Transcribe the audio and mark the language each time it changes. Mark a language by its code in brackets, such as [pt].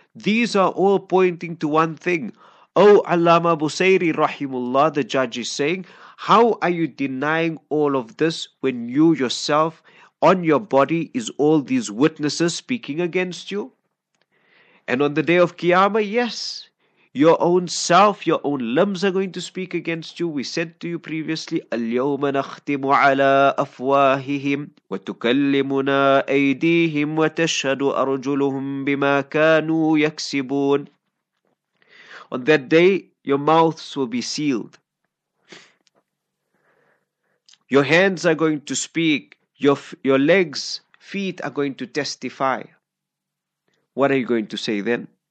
[en] These are all pointing to one thing. Oh, Allama Busairi Rahimullah, the judge is saying, how are you denying all of this when you yourself, on your body, is all these witnesses speaking against you? And on the day of Qiyamah, yes, your own self, your own limbs are going to speak against you. We said to you previously, [ar] الْيَوْمَ نَخْتِمُ عَلَىٰ أَفْوَاهِهِمْ وَتُكَلِّمُنَا أَيْدِيهِمْ وَتَشْهَدُ أَرْجُلُهُمْ بِمَا كَانُوا يَكْسِبُونَ. [en] On that day, your mouths will be sealed. Your hands are going to speak. Your legs, feet are going to testify. What are you going to say then?